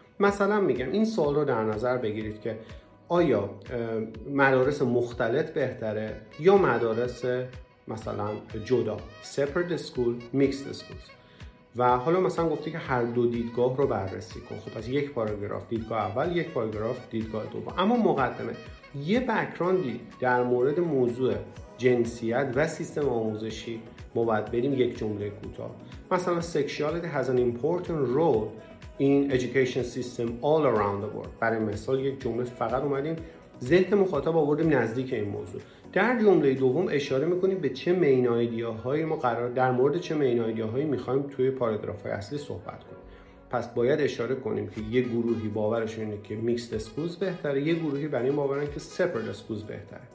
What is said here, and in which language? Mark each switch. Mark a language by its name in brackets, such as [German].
[Persian] مثلا میگم این سوال رو در نظر بگیرید که آیا مدارس مختلط بهتره یا مدارس مثلا جدا، [English] separate school mixed schools. [Persian] و حالا مثلا گفته که هر دو دیدگاه رو بررسی کن. خب از یک پاراگراف دیدگاه اول، یک پاراگراف دیدگاه دوم. اما مقدمه یه بک‌گراندی در مورد موضوع جنسیت و سیستم آموزشی ما باید بریم، یک جمله کوتاه. مثلا [English] sexuality has an important role in education system all around the world. [Persian] برای مثال یک جمله فقط اومدیم ذهن مخاطب آوردیم نزدیک این موضوع. در جمله دوم اشاره میکنیم به چه مین آیدیاهایی ما قرار در مورد چه مین آیدیاهایی میخوایم توی پاراگرافهای اصلی صحبت کنیم. پس باید اشاره کنیم که یه گروهی باورش اینه که میکست اسکولز بهتره، یه گروهی برای این باورن که سپرد اسکولز بهتره.